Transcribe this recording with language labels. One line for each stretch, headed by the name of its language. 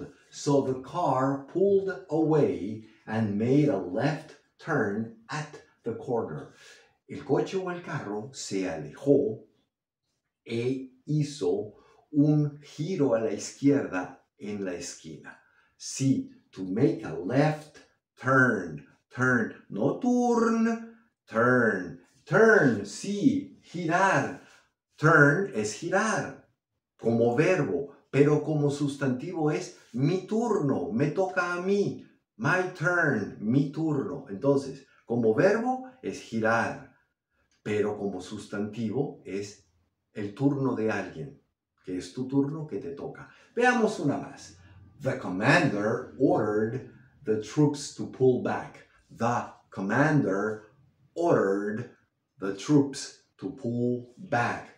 English: So the car pulled away and made a left turn at the corner.
Spanish: El coche o el carro se alejó e hizo un giro a la izquierda en la esquina.
English: Sí, to make a left turn. Turn, no turn, turn. Turn, sí, girar.
Spanish: Turn es girar como verbo, pero como sustantivo es mi turno, me toca a mí.
English: My turn,
Spanish: mi turno. Entonces, como verbo es girar, pero como sustantivo es el turno de alguien, que es tu turno, que te toca. Veamos una más.
English: The commander ordered the troops to pull back. The commander ordered the troops to pull back.